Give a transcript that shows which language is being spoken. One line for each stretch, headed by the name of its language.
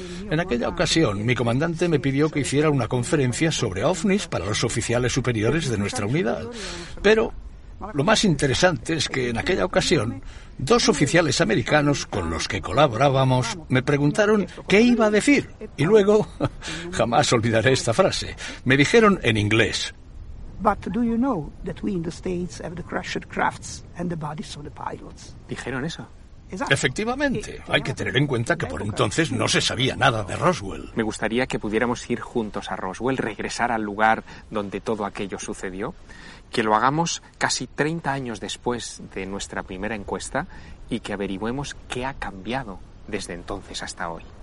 Spanish: En aquella ocasión, mi comandante me pidió que hiciera una conferencia sobre OVNIs para los oficiales superiores de nuestra unidad. Pero lo más interesante es que en aquella ocasión, dos oficiales americanos con los que colaborábamos me preguntaron qué iba a decir. Y luego, jamás olvidaré esta frase, me dijeron en inglés:
English: "But do you know that we in the States have the crashed crafts and the bodies of the pilots?"
Spanish: Dijeron eso. Efectivamente, hay que tener en cuenta que por entonces no se sabía nada de Roswell. Me gustaría que pudiéramos ir juntos a Roswell, regresar al lugar donde todo aquello sucedió, que lo hagamos casi 30 años después de nuestra primera encuesta y que averigüemos qué ha cambiado desde entonces hasta hoy.